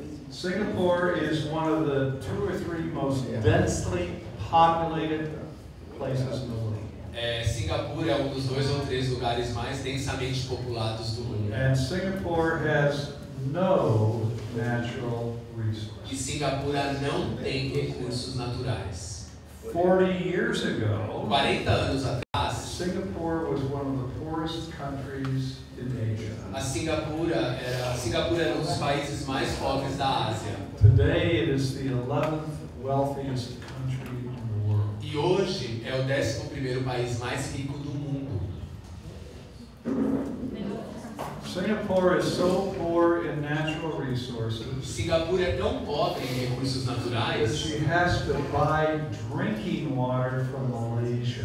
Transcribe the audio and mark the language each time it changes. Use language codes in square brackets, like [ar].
[en] Singapore is one of the two or three most densely populated places in the world. [pt] Singapore é um dos dois ou três lugares mais densamente populados do mundo. [en] And Singapore has no natural resources. [pt] E Singapura não tem recursos naturais. [en] 40 years ago, [pt] 40 anos atrás, [en] Singapore was one of the poorest countries in Asia. [pt] A Singapura era um dos países mais pobres da Ásia. [en] Today it is the 11th wealthiest country in the world. [pt] E hoje é o 11º país mais rico do mundo. [en] Singapore is so poor in natural resources. [pt] Singapura é tão pobre em recursos naturais. [en] She has to buy drinking water from Malaysia.